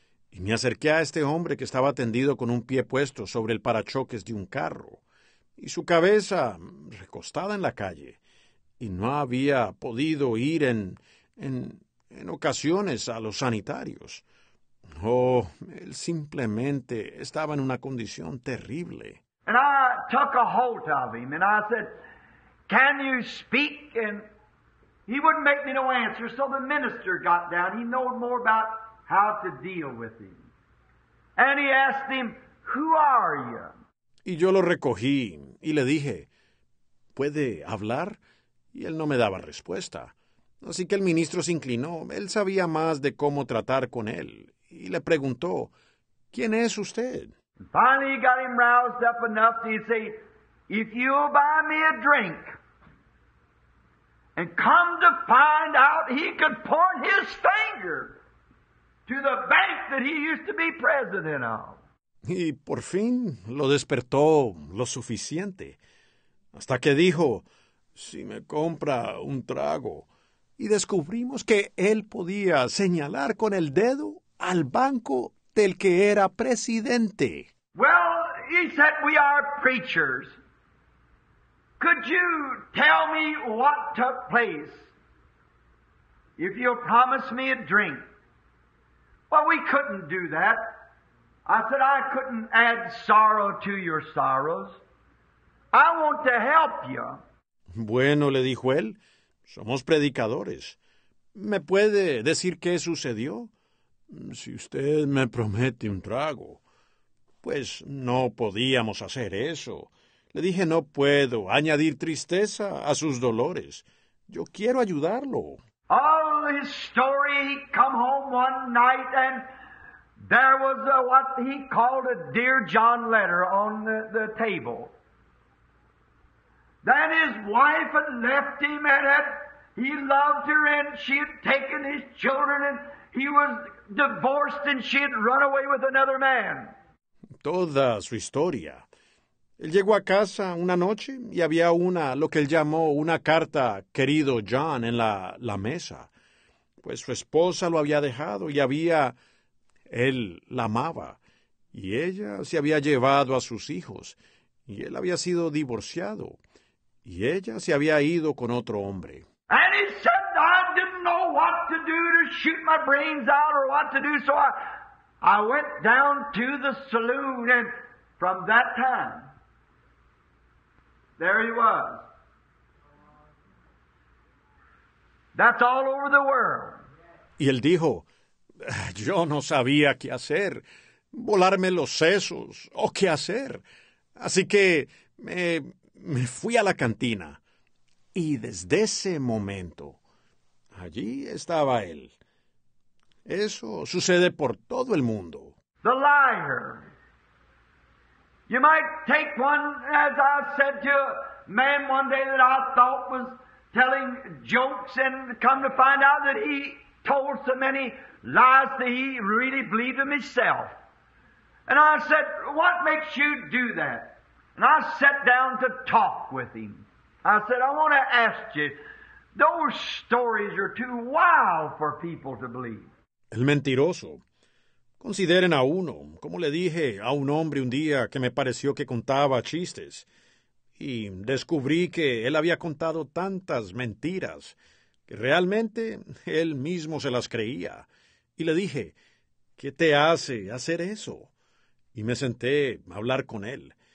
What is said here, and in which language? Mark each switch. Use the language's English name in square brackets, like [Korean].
[Spanish] Y me acerqué a este hombre que estaba tendido con un pie puesto sobre el parachoques de un carro y su cabeza recostada en la calle y no había podido ir en ocasiones a los sanitarios. Oh, él simplemente estaba en una condición terrible. [English] And I took a hold of him and I said, "Can you speak?" And he wouldn't make me no answer, so the minister got down. He knew more about how to deal with him. And he asked him, "Who are you?" [Spanish] Y yo lo recogí y le dije, "¿Puede hablar?" Y él no me daba respuesta. Así que el ministro se inclinó. Él sabía más de cómo tratar con él. Y le preguntó, "¿Quién es usted?" [English] Finally he got him roused up enough to say, "If you'll buy me a drink, and come to find out he could point his finger to the bank that he used to be president of." [Spanish] Y por fin lo despertó lo suficiente, hasta que dijo, "Si me compra un trago." Y descubrimos que él podía señalar con el dedo al banco del que era presidente. [English] "Well," he said, "we are preachers. Could you tell me what took place if you'll promise me a drink?" "Well, we couldn't do that." I said, "I couldn't add sorrow to your sorrows. I want to help you." [Spanish] "Bueno," le dijo él, "somos predicadores. ¿Me puede decir qué sucedió? Si usted me promete un trago." Pues no podíamos hacer eso. Le dije, "No puedo añadir tristeza a sus dolores. Yo quiero ayudarlo." [English] All his story, he come home one night and there was a, what he called a Dear John letter on the table. Then his wife had left him and had, he loved her and she had taken his children and he was divorced and she had run away with another man. [Spanish] Toda su historia. Él llegó a casa una noche y había una, lo que él llamó una carta, "Querido John", en la mesa. Pues su esposa lo había dejado y había, él la amaba. Y ella se había llevado a sus hijos. Y él había sido divorciado. Y ella se había ido con otro hombre. [English] And he said, "I didn't know what to do to shoot my brains out or what to do, so I went down to the saloon, and from that time, there he was. That's all over the world." [Spanish] Y él dijo, "Yo no sabía qué hacer, volarme los sesos, o qué hacer. Así que me fui a la cantina, y desde ese momento, allí estaba él." Eso sucede por todo el mundo. [English] The liar. You might take one, as I said to a man one day that I thought was telling jokes, and come to find out that he told so many lies that he really believed them himself. And I said, "What makes you do that?" And I sat down to talk with him. I said, "I want to ask you, those stories are too wild for people to believe." [Spanish] El mentiroso. Consideren a uno, como le dije a un hombre un día que me pareció que contaba chistes, y descubrí que él había contado tantas mentiras que realmente él mismo se las creía. Y le dije, "¿Qué te hace hacer eso?" Y me senté a hablar con él.